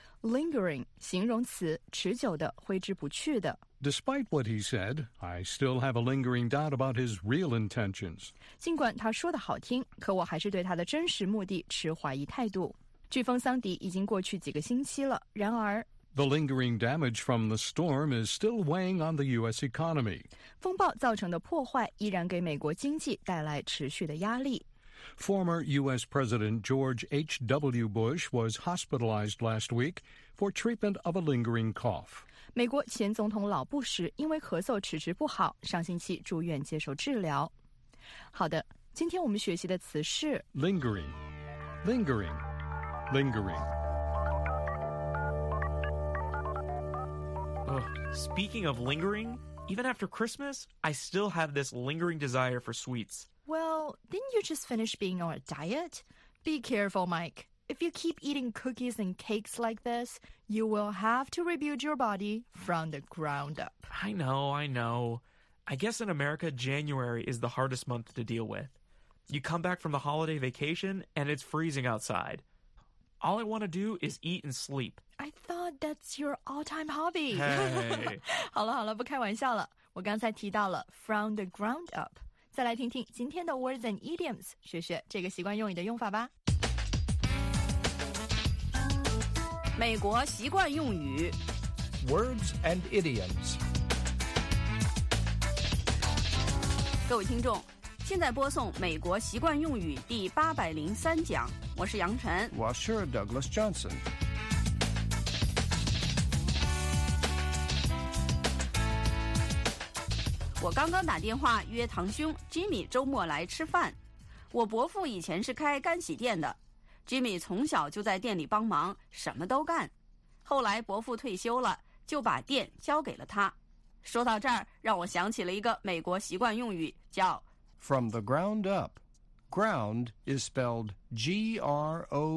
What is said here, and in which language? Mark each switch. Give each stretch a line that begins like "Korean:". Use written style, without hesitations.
Chinese: Lingering, 形容词，持久的，挥之不去的。
English: Despite what he said, I still have a lingering doubt about his real intentions.
Chinese: 尽管他说的好听，可我还是对他的真实目的持怀疑态度。飓风桑迪已经过去几个星期了，然而
English: The lingering damage from the storm is still weighing on the U.S. economy.
Chinese: 风暴造成的破坏依然给美国经济带来持续的压力。
English: Former U.S. President George H.W. Bush was hospitalized last week for treatment of a lingering cough.
Chinese: 美国前总统老布什因为咳嗽迟迟不好，上星期住院接受治疗。好的，今天我们学习的词是
English: lingering, lingering, lingering. Speaking of lingering, even after Christmas, I still have this lingering desire for sweets. Well, didn't you just finish being on a diet? Be careful, Mike. If you keep eating cookies and cakes like this, you will have to rebuild your body from the ground up. I know. I guess in America, January is the hardest month to deal with. You come back from the holiday vacation, and it's freezing outside. All I want to do is eat and sleep. I thought that's your all-time hobby. Hey.
Chinese: 好了，不开玩笑了。我刚才提到了
English: from the ground up。
Chinese: 再来听听今天的 Words and Idioms， 学学这个习惯用语的用法吧。美国习惯用语
English: Words and Idioms。
Chinese: 各位听众，现在播送美国习惯用语第803讲，我是杨晨。
English: Washer Douglas Johnson。
Chinese: 我刚刚打电话约堂兄 Jimmy 周末来吃饭。我伯父以前是开干洗店的，Jimmy 从小就在店里帮忙，什么都干。后来伯父退休了，就把店交给了他。说到这儿，让我想起了一个美国习惯用语，叫
English: From the ground up. Ground is spelled G-R-O-U-N-D.